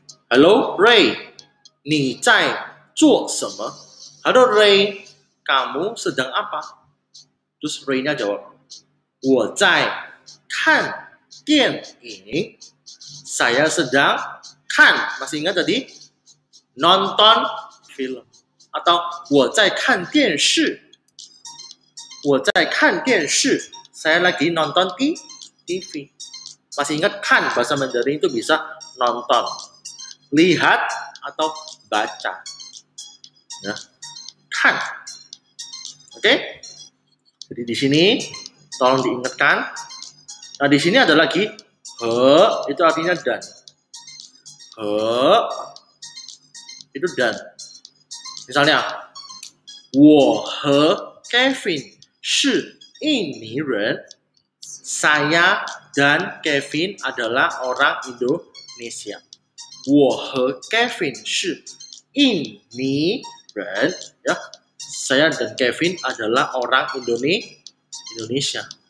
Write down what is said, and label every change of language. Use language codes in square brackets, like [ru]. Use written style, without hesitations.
[en] Hello Ray, [zh] 你在做什么? [id] Hello Ray, kamu sedang apa? Terus Ray-nya jawab, [zh] 我在看电影. [id] Saya sedang kan, masih ingat tadi? Nonton film. [zh] Atau 我在看电视.我在看电视. [id] Saya lagi nonton TV. Masih ingat kan, bahasa Mandarin itu bisa nonton, lihat atau baca. Ya. Kan. Oke? Jadi di sini tolong diingatkan. Nah, di sini ada lagi he, itu artinya dan. He. Itu dan. [zh] Misalnya, 我和Kevin是印尼人. [id] Saya dan Kevin adalah orang Indonesia. [zh] 我和Kevin是印尼人. [id] Ya. Saya dan Kevin adalah orang Indonesia.